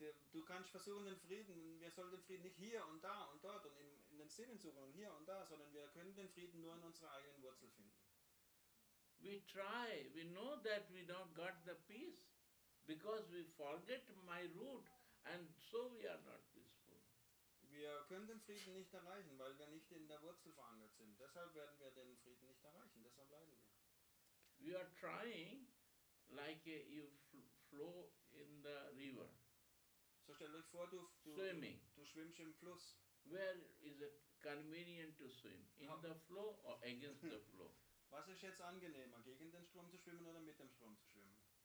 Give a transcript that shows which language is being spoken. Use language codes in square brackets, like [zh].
[de] Du kannst versuchen den Frieden, wir sollen den Frieden nicht hier und da und dort und in den Sinnen suchen und hier und da, sondern wir können den Frieden nur in unserer eigenen Wurzel finden. [en] We try, we know that we don't got the peace because we forget my root and so we are not peaceful. [de] Wir können den Frieden nicht erreichen, weil wir nicht in der Wurzel verankert sind. Deshalb werden wir den Frieden nicht erreichen, deshalb leiden wir. [en] We are trying like you flow in the river. [de] So stellt euch vor, du schwimmst im Fluss. [en] Where is it convenient to swim? In the flow or against the flow? [de] Was ist jetzt angenehmer, gegen den Strom zu schwimmen oder mit dem Strom zu schwimmen?